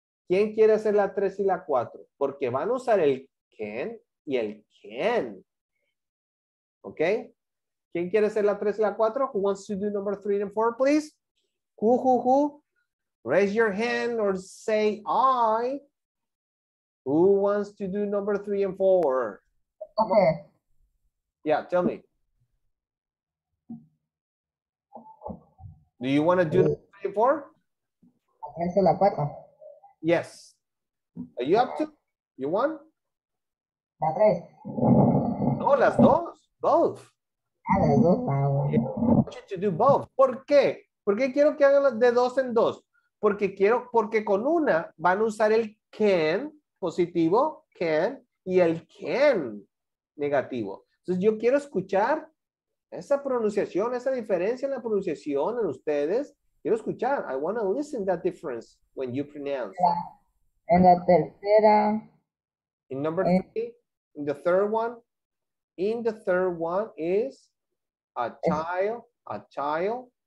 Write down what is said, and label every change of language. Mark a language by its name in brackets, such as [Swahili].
[Spanish] ¿Quién quiere hacer la tres y la cuatro? Porque van a usar el can y el can. [English] Okay? [Spanish] ¿Quién quiere hacer la tres y la cuatro? [English] Who wants to do number three and four, please? Who? Raise your hand or say I. Who wants to do number three and four? Okay. Yeah, tell me. Do you want to do three and four? [Spanish] Tres y la cuatro. [English] Yes. Are you up to? You want? [Spanish] La tres. [English] No, las dos. Both. I want you to do both. [Spanish] ¿Por qué? Porque quiero que hagan de dos en dos. Porque quiero, porque con una van a usar el can positivo, can, y el can negativo. Entonces yo quiero escuchar esa pronunciación, esa diferencia en la pronunciación en ustedes. Quiero escuchar. [English] I want to listen that difference when you pronounce. En la tercera. In number three, in the third one. In the third one is a child, a child.